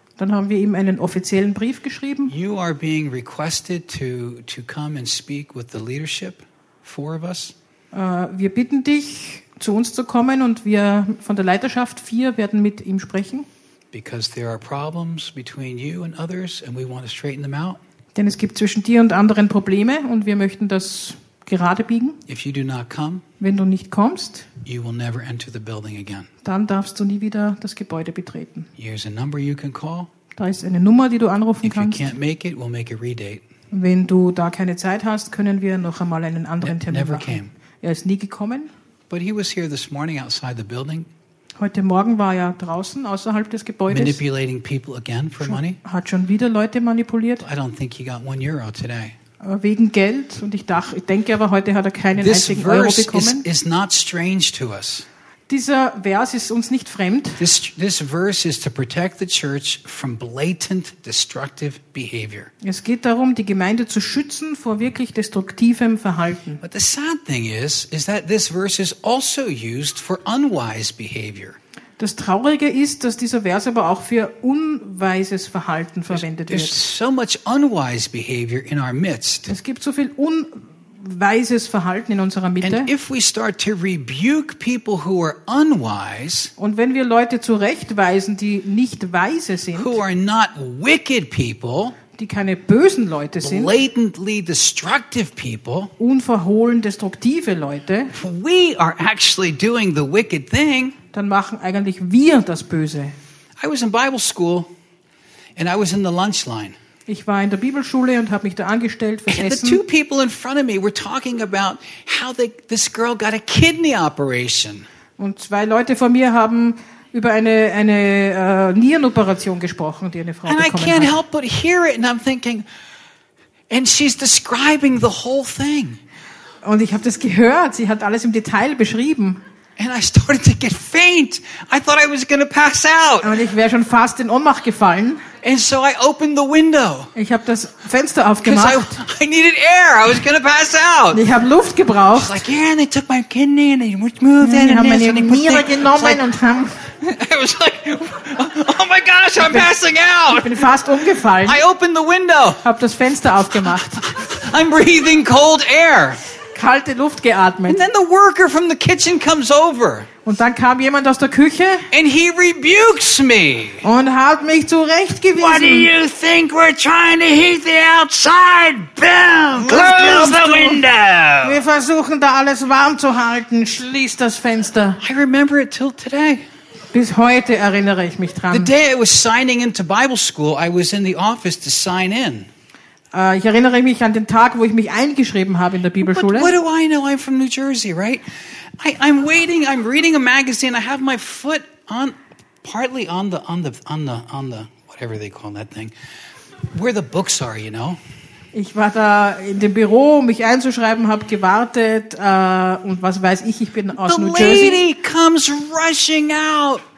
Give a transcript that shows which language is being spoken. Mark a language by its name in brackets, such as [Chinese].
[German] Dann haben wir ihm einen offiziellen Brief geschrieben. [English] You are being requested to come and speak with the leadership, 4 of us. [German] Wir bitten dich, zu uns zu kommen, und wir von der Leiterschaft 4 werden mit ihm sprechen. [English] Because there are problems between you and others, and we want to straighten them out. [German] Denn es gibt zwischen dir und anderen Probleme, und wir möchten das gerade biegen. [English] If you do not come, [German] wenn du nicht kommst, [English] you will never enter the building again. [German] Dann darfst du nie wieder das Gebäude betreten. [English] Here's a number you can call. [German] Da ist eine Nummer, die du anrufen [English] if [German] kannst. [English] You can't make it, we'll make a redate. [German] Wenn du da keine Zeit hast, können wir noch einmal einen anderen Termin [English] never [German] machen. [English] Came. [German] Er ist nie gekommen. [English] But he was here this morning outside the building. [German] Heute Morgen war er draußen, außerhalb des Gebäudes. [English] Manipulating people again for money. [German] Hat schon wieder Leute manipuliert. [English] I don't think he got 1 euro today. [German] Wegen Geld. Und ich denke aber, heute hat er keinen [English] this [German] einzigen Euro bekommen. [English] This verse is not strange to us. [German] Dieser Vers ist uns nicht fremd. [English] This verse is to protect the church from blatant destructive behavior. [German] Es geht darum, die Gemeinde zu schützen vor wirklich destruktivem Verhalten. [English] But the sad thing is that this verse is also used for unwise behavior. [German] Das Traurige ist, dass dieser Vers aber auch für unweises Verhalten verwendet wird. [English] There's so much unwise behavior in our midst. [German] Es gibt so viel unweises Verhalten in unserer Mitte. [English] And if we start to rebuke people who are unwise, [German] und wenn wir Leute zurechtweisen, die nicht weise sind, [English] who are not wicked people, [German] die keine bösen Leute sind, [English] blatantly destructive people, [German] unverhohlen destruktive Leute, [English] we are actually doing the wicked thing, [German] dann machen eigentlich wir das Böse. [English] I was in Bible school and I was in the lunch line. [German] Ich war in der Bibelschule und habe mich da angestellt fürs Essen. [English] The two people in front of me were talking about how this girl got a kidney operation. [German] Und zwei Leute vor mir haben über eine Nierenoperation gesprochen, die eine Frau [English] and [German] bekommen hat. [English] And I can't help but hear it, and I'm thinking, and she's describing the whole thing. [German] Und ich habe das gehört. Sie hat alles im Detail beschrieben. [English] And I started to get faint. I thought I was going to pass out. [German] Und ich wäre schon fast in Ohnmacht gefallen. [English] And so I opened the window. [German] Ich habe das Fenster aufgemacht. [English] I needed air. I was going to pass out. [German] Ich habe Luft gebraucht. [English] She's like, yeah, and they took my kidney and they moved it. Yeah, [German] haben meine Niere genommen und haben. [English] I was like, oh my gosh, I'm passing out. [German] Ich bin fast umgefallen. [English] I opened the window. [German] Habe das Fenster aufgemacht. [English] I'm breathing cold air. [German] Kalte Luft geatmet. [English] And then the worker from the kitchen comes over. [German] Und dann kam jemand aus der Küche. [English] And he rebukes me. [German] Und hat mich zurechtgewiesen. [English] What do you think we're trying to heat the outside? Boom! Close the window. [German] Wir versuchen da alles warm zu halten. Schließ das Fenster. [English] I remember it till today. [German] Bis heute erinnere ich mich dran. [English] The day I was signing into Bible school, I was in the office to sign in. [German] Ich erinnere mich an den Tag, wo ich mich eingeschrieben habe in der Bibelschule. [English] But what do I know? I'm from New Jersey, right? I'm waiting. I'm reading a magazine. I have my foot on, partly on the whatever they call that thing, where the books are, you know. [German] Ich war da in dem Büro, um mich einzuschreiben, habe gewartet und was weiß ich. Ich bin aus [English] the [German] New Jersey. [English] The lady comes rushing out.